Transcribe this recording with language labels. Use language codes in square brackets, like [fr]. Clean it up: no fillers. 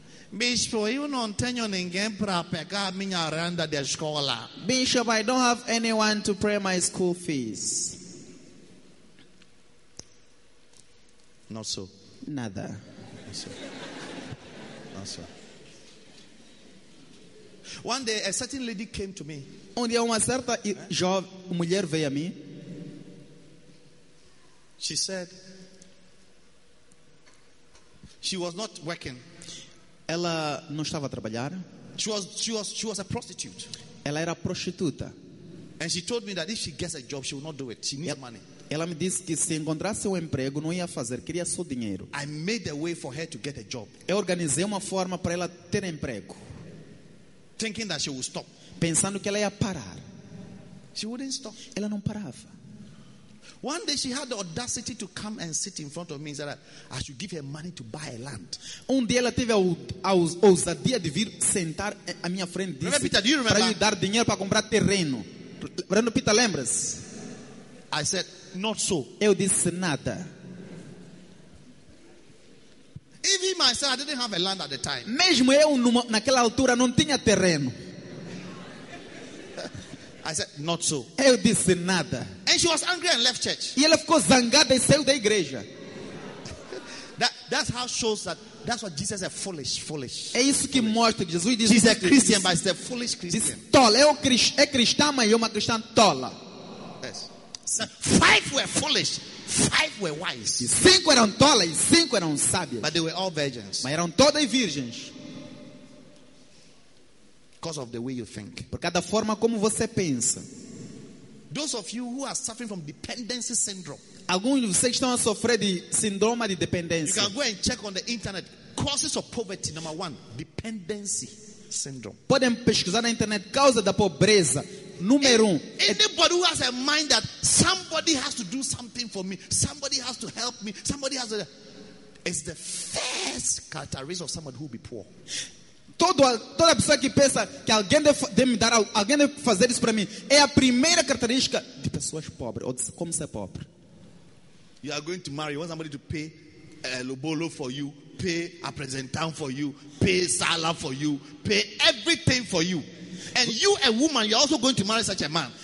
[pt] Bishop, eu não tenho ninguém para pegar minha renda da escola. [en] Bishop, I don't have anyone to pay my school fees. Not so. [pt] Nada. [en] Not so. Not so. One day, a certain lady came to me. [pt] Um dia, uma certa jovem mulher veio a mim. [en] She said, she was not working. [pt] Ela não estava a trabalhar. [en] She was a prostitute. [pt] Ela era prostituta. [en] And she told me that if she gets a job, she will not do it. She needs money. [pt] Ela me disse que se encontrasse um emprego, não ia fazer, queria só dinheiro. [en] I made a way for her to get a job. [pt] Eu organizei uma forma para ela ter emprego. [en] Thinking that she will stop. [pt] Pensando que ela ia parar. [en] She wouldn't stop. [pt] Ela não parava. [en] One day she had the audacity to come and sit in front of me and say that I should give her money to buy a land. [pt] Um dia ela teve a ousadia de vir sentar à minha frente e disse, [en] Peter, do you remember? [pt] Para lhe dar dinheiro para comprar terreno. Reverendo Peter, lembra-se? [en] I said, not so. [pt] Eu disse nada. [en] Even myself, I didn't have a land at the time. [pt] Mesmo eu naquela altura não tinha terreno. [en] I said, not so. [pt] Eu disse nada. [en] And she was angry and left church. [pt] E ela ficou zangada e saiu da igreja. [en] That's how shows that. That's what Jesus said, foolish. [pt] É isso que mostra que Jesus diz. [en] He's a Christian, but he's a foolish Christian. [pt] Tola. É cristã, mas é uma cristã tola. [en] Yes. Five were foolish. Five were wise. [pt] Cinco eram tola e cinco eram sábios. [en] But they were all virgins. [pt] Mas eram todas virgens. [en] Because of the way you think. [pt] Por causa da forma como você pensa. [en] Those of you who are suffering from dependency syndrome. [pt] Alguns de vocês estão a sofrer de síndrome de dependência. [en] You can go and check on the internet. Causes of poverty, number one, dependency syndrome. [pt] Podem pesquisar na internet causa da pobreza. Número um. [en] Anybody who has a mind that somebody has to do something for me, somebody has to help me, somebody has to. It's the first characteristic of somebody who will be poor. [pt] Toda pessoa que pensa que alguém deve me dar, alguém deve fazer isso para mim, é a primeira característica de pessoas pobres, ou de como ser pobre. [en] You are going to marry, you want somebody to pay a lobolo for you, pay a presentão for you, pay sala for you, pay everything for you. And you, a woman, you're also going to marry such a man.